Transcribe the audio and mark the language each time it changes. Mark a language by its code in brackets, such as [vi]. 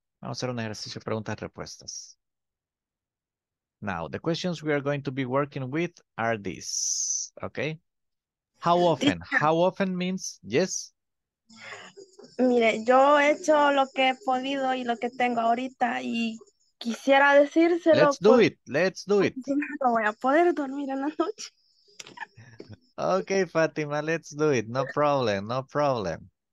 [es] Vamos a hacer un ejercicio de preguntas y respuestas. [en] Now, the questions we are going to be working with are these, okay? How often? How often means yes? [es] Mire, yo he hecho lo que he podido y lo que tengo ahorita y quisiera decírselo. [en] Let's do it. [es] No voy a poder dormir en la noche. [en] Okay, Fátima, let's do it. No problem.